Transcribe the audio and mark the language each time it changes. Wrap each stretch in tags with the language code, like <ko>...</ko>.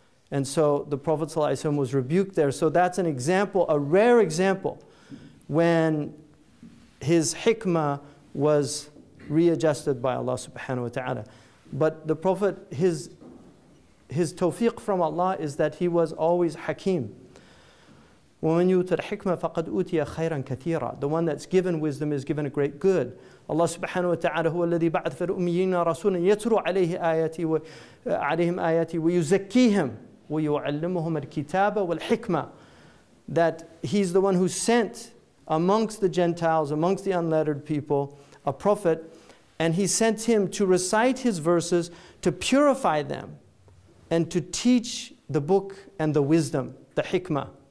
<en>And so the Prophet ﷺ was rebuked there. So that's an example, a rare example, when his hikmah was readjusted by Allah subhanahu wa ta'ala. But the Prophet, his tawfiq from Allah is that he was always hakim.</en> <ar>وَمَنْ يُوتَ الْحِكْمَةَ فَقَدْ أُوتِيَ خَيْرًا كَثِيرًا.</ar> <en>The one that's given wisdom is given a great good.</en> <ar>Allah subhanahu wa ta'ala هو الذي بَعْثَ فَالْأُمِّيِّينَ رَسُولًا يَتْرُوا عَلَيْهِمْ آيَاتِهِ وَيُزَكِّيهِمْ وَيُعَلِّمُهُمَ الْكِتَابَ وَالْحِكْمَةَ.</ar> <en>That he's the one who sent amongst the Gentiles, amongst the unlettered people, a prophet, and he sent him to recite his verses, to purify them, and to teach the book and the wisdom, the hikmah.</en>